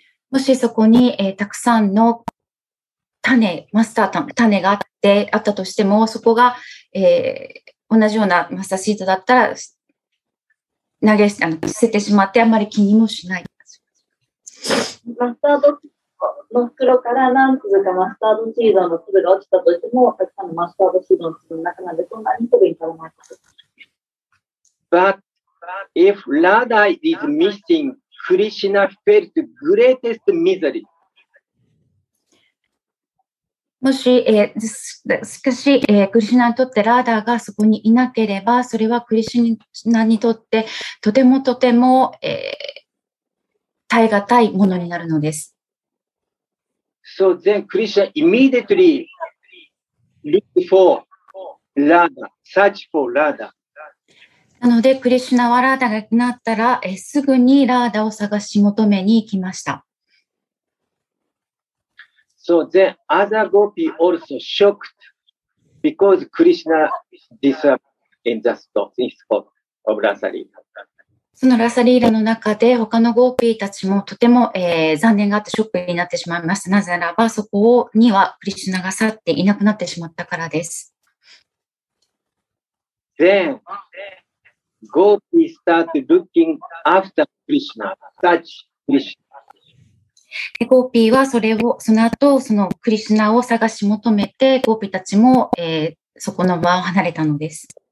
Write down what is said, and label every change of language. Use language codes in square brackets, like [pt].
[ja] もしそこに、たくさんの種、マスター種、種があって、あったとしても、そこが、同じようなマスターシードだったら、投げ捨ててしまって、あまり気にもしない。マスタードの袋から何粒かマスタードシードの粒が落ちたとしても、たくさんのマスタードシードの粒の中なんで、そんなに飛びに足らない。 [en] But if Radha is missing, Krishna felt greatest misery. [ja] もし、しかし、クリシュナにとってラーダーがそこにいなければ、それはクリシュナにとってとてもとても、耐え難いものになるのです。 [en] So then Krishna immediately looked for Radha, search for Radha. [ja] なので、クリシュナはラーダーがいなったら、すぐにラーダーを探し求めに行きました。 [en] So then, other gopi also shocked because Krishna disappeared in the spot, in spot of Rasalila. [ja] そのラサリーラの中で他のゴーピーたちもとても、残念があってショックになってしまいました。なぜならばそこにはクリシュナが去っていなくなってしまったからです。 [en] Then, gopi start looking after Krishna, touch Krishna. [ja] でゴーピーはそれをその後そのクリシュナを探し求めてゴーピーたちも、そこの場を離れたのです。